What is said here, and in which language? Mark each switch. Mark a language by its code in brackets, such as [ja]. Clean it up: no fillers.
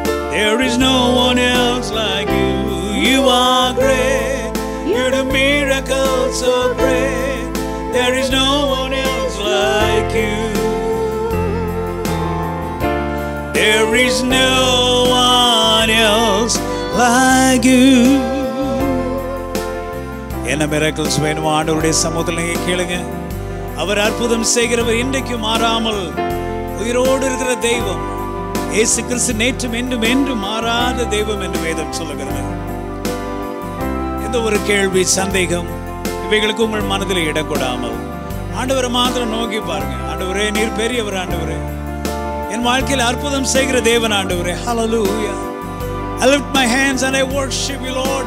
[en] There is no one else like you. You are great. You're the miracle so great. There is no one else like you. There is no one else like you. [ta] என்ன miracles வேணும் ஆண்டவருடைய சமூகத்தில் நீங்க கேளுங்க. அவர் அற்புதம் செய்கிறவர் இன்றைக்கு மாறாமல் உயிரோடு இருக்கிற தெய்வம் இயேசு கிறிஸ்து நேற்றும் என்றும் என்றும் மாறாத தெய்வம் என்று வேதம் சொல்லுகிறது. எந்த ஒரு கேள்வி சந்தேகம் இவைகளுக்கு உங்கள் மனதில் இடக்கூடாமல் ஆண்டவரை மாத்திரம் நோக்கி பாருங்க. ஆண்டவரே நீர் பெரியவர். ஆண்டவரே என் வாழ்க்கையில் அற்புதம் செய்கிற தேவன். ஆண்டவரே ஹல்லேலூயா. [en] I lift my hands and I worship you Lord.